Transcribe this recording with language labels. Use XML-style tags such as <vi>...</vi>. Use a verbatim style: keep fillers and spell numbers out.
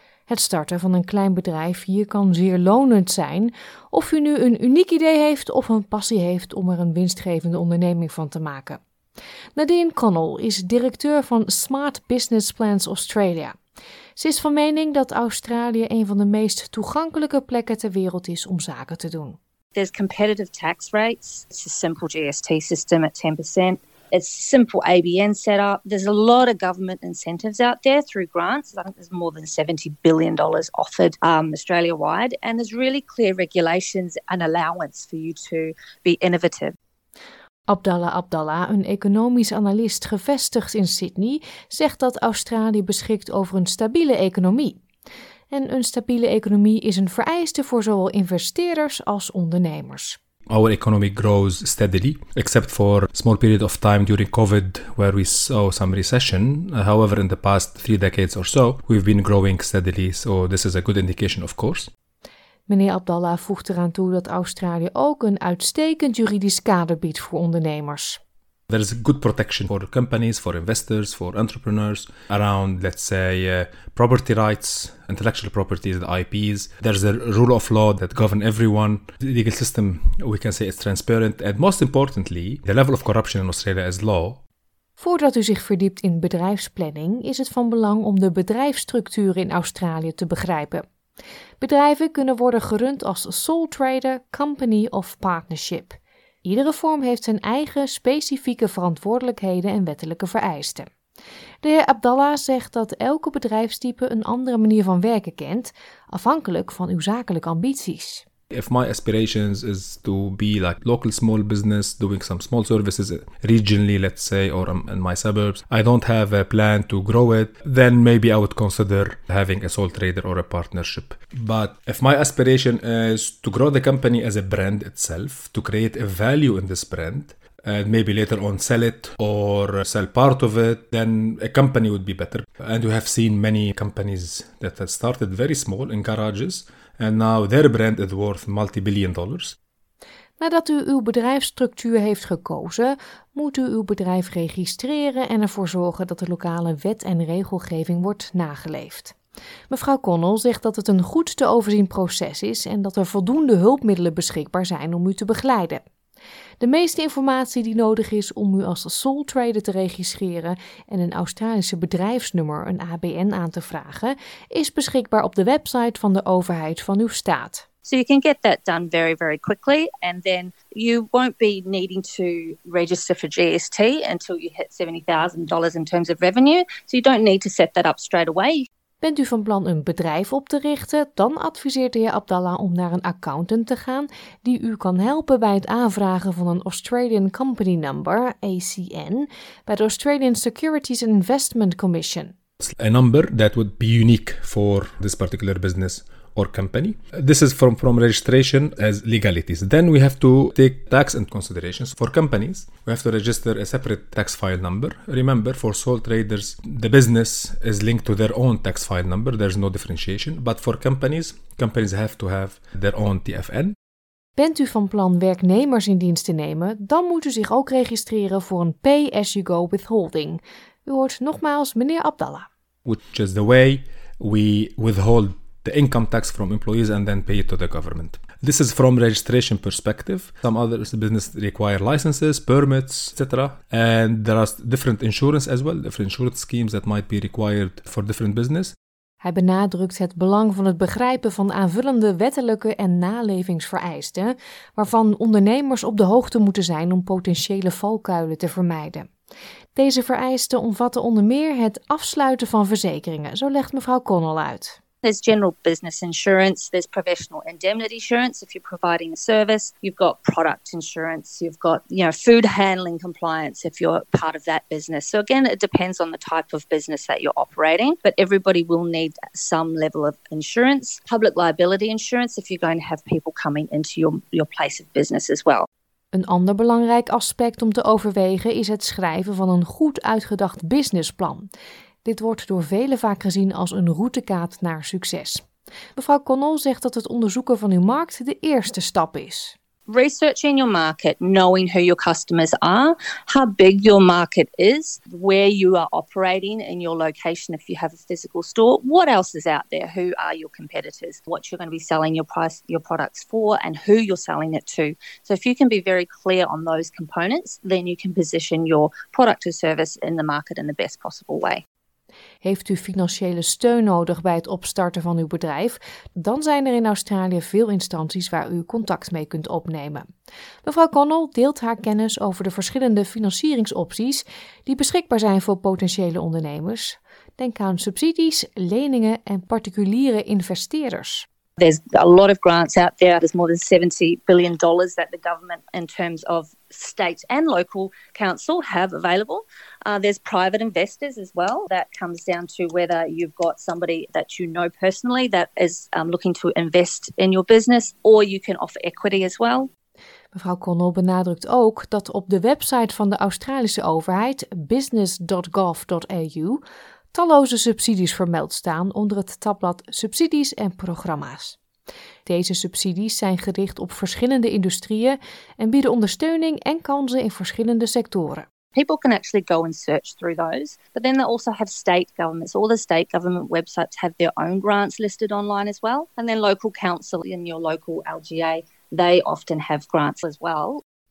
<nl>Het starten van een klein bedrijf hier kan zeer lonend zijn, of u nu een uniek idee heeft of een passie heeft om er een winstgevende onderneming van te maken. Nadine Connell is directeur van Smart Business Plans Australia. Ze is van mening dat Australië een van de meest toegankelijke plekken ter wereld is om zaken te doen.</nl> <en>There's competitive tax rates. It's a simple G S T system at ten percent. It's simple A B N setup. There's a lot of government incentives out there through grants. I think there's more than seventy billion dollars offered um, Australia-wide. And there's really clear regulations and allowance for you to be innovative.</en> <nl>Abdallah Abdallah, een economisch analist gevestigd in Sydney, zegt dat Australië beschikt over een stabiele economie. En een stabiele economie is een vereiste voor zowel investeerders als ondernemers.</nl> <en>Our economy grows steadily, except for a small period of time during COVID where we saw some recession. However, in the past three decades or so, we've been growing steadily, so this is a good indication, of course.</en> <nl>Meneer Abdallah voegt eraan toe dat Australië ook een uitstekend juridisch kader biedt voor ondernemers.</nl> <en>There is good protection for companies, for investors, for entrepreneurs around, let's say, uh, property rights, intellectual properties, the I Ps. There's a rule of law that governs everyone. The legal system, we can say, is transparent. And most importantly, the level of corruption in Australia is low.</en> <nl>Voordat u zich verdiept in bedrijfsplanning, is het van belang om de bedrijfsstructuren in Australië te begrijpen. Bedrijven kunnen worden gerund als sole trader, company of partnership. Iedere vorm heeft zijn eigen specifieke verantwoordelijkheden en wettelijke vereisten. De heer Abdallah zegt dat elke bedrijfstype een andere manier van werken kent, afhankelijk van uw zakelijke ambities.</nl> <en>If my aspirations is to be like local small business, doing some small services regionally, let's say, or in my suburbs, I don't have a plan to grow it, then maybe I would consider having a sole trader or a partnership. But if my aspiration is to grow the company as a brand itself, to create a value in this brand, and maybe later on sell it or sell part of it, then a company would be better. And we have seen many companies that have started very small in garages, and now their brand is worth multi-billion dollars.</en> <nl>Nadat u uw bedrijfsstructuur heeft gekozen, moet u uw bedrijf registreren en ervoor zorgen dat de lokale wet en regelgeving wordt nageleefd. Mevrouw Connell zegt dat het een goed te overzien proces is en dat er voldoende hulpmiddelen beschikbaar zijn om u te begeleiden. De meeste informatie die nodig is om u als sole trader te registreren en een Australische bedrijfsnummer, een A B N, aan te vragen, is beschikbaar op de website van de overheid van uw staat.</nl> <en>So you can get that done very, very quickly, and then you won't be needing to register for G S T until you hit seventy thousand dollars in terms of revenue. So you don't need to set that up straight away.</en> <nl>Bent u van plan een bedrijf op te richten, dan adviseert de heer Abdallah om naar een accountant te gaan die u kan helpen bij het aanvragen van een Australian Company Number, A C N, bij de Australian Securities and Investment Commission.</nl> <en>A number that would be unique for this particular business or company. This is from, from registration as legalities. Then we have to take tax and considerations. For companies, we have to register a separate tax file number. Remember, for sole traders, the business is linked to their own tax file number. There's no differentiation. But for companies, companies have to have their own T F N.</en> <nl>Bent u van plan werknemers in dienst te nemen, dan moet u zich ook registreren voor een pay-as-you-go withholding. U hoort nogmaals meneer Abdallah.</nl> <en>Which is the way we withhold the income tax from employees and then pay it to the government. This is from registration perspective. Some other businesses require licenses, permits, et cetera. And there are different insurance as well, different insurance schemes that might be required for different business.</en> <nl>Hij benadrukt het belang van het begrijpen van aanvullende wettelijke en nalevingsvereisten, waarvan ondernemers op de hoogte moeten zijn om potentiële valkuilen te vermijden. Deze vereisten omvatten onder meer het afsluiten van verzekeringen, zo legt mevrouw Connell uit.</nl> <en>There's general business insurance, there's professional indemnity insurance if you're providing a service, you've got product insurance, you've got, you know, food handling compliance if you're part of that business. So again, it depends on the type of business that you're operating, but everybody will need some level of insurance, public liability insurance if you're going to have people coming into your, your place of business as well.</en> <nl>Een ander belangrijk aspect om te overwegen is het schrijven van een goed uitgedacht businessplan. Dit wordt door velen vaak gezien als een routekaart naar succes. Mevrouw Connell zegt dat het onderzoeken van uw markt de eerste stap is.</nl> <en>Researching your market, knowing who your customers are, how big your market is, where you are operating in your location if you have a physical store, what else is out there, who are your competitors, what you're going to be selling your price, your products for and who you're selling it to. So if you can be very clear on those components, then you can position your product or service in the market in the best possible way.</en> <nl>Heeft u financiële steun nodig bij het opstarten van uw bedrijf? Dan zijn er in Australië veel instanties waar u contact mee kunt opnemen. Mevrouw Connell deelt haar kennis over de verschillende financieringsopties die beschikbaar zijn voor potentiële ondernemers. Denk aan subsidies, leningen en particuliere investeerders.</nl> <en>There's a lot of grants out there. There's more than seventy billion dollars that the government, in terms of state and local council, have available. Uh, there's private investors as well. That comes down to whether you've got somebody that you know personally that is um, looking to invest in your business, or you can offer equity as well.</en> <nl>Mevrouw Connell benadrukt ook dat op de website van de Australische overheid, business dot gov dot a u, talloze subsidies vermeld staan onder het tabblad Subsidies en Programma's. Deze subsidies zijn gericht op verschillende industrieën en bieden ondersteuning en kansen in verschillende sectoren.</nl> <en>People can actually go and search through those, but then they also have state governments. All the state government websites have their own grants listed online as well, and then local council in your local L G A, they often have grants as well.</en>